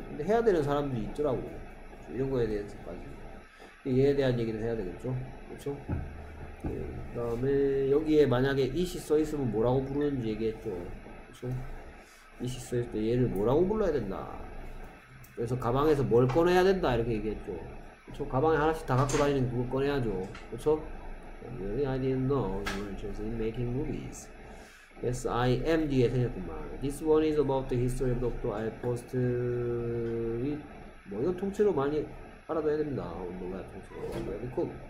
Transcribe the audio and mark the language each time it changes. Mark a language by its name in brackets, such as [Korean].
[Korean] 근데 해야 되는 사람들이 있더라고. 이런 거에 대해서까지 얘에 대한 얘기를 해야 되겠죠. 그렇죠. 그다음에 여기에 만약에 이시 써 있으면 뭐라고 부르는지 얘기했죠. 그렇죠. 이시 써 있을 때 얘를 뭐라고 불러야 된다. 그래서 가방에서 뭘 꺼내야 된다 이렇게 얘기했죠. 저 가방에 하나씩 다 갖고 다니는 그거 꺼내야죠. 그쵸? [English] Really, I didn't know you were interested in making movies. Yes, I am [Korean] 뒤에 생겼구만. [English] This one is about the history of Dr. I post it. [Korean] 뭐 이건 통째로 많이 알아둬야 됩니다. 오늘 날 통째로.